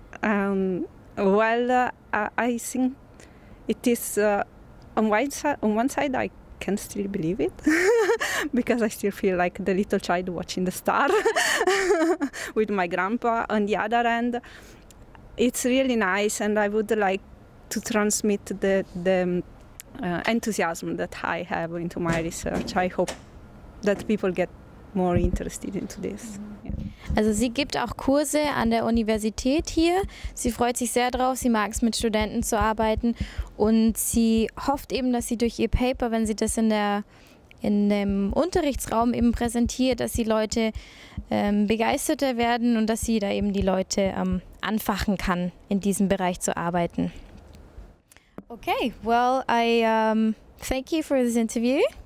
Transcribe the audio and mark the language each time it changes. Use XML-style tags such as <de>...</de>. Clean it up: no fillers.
<en>I think it is on one side I can still believe it because I still feel like the little child watching the star with my grandpa. On the other hand, it's really nice, and I would like to transmit the enthusiasm that I have into my research. I hope that people get more interested into this.</en> <de>Also sie gibt auch Kurse an der Universität hier. Sie freut sich sehr drauf, sie mag es, mit Studenten zu arbeiten. Und sie hofft eben, dass sie durch ihr Paper, wenn sie das in dem Unterrichtsraum eben präsentiert, dass die Leute begeisterter werden und dass sie da eben die Leute anfachen kann, in diesem Bereich zu arbeiten.</de> <en>Okay, well, I thank you for this interview.</en>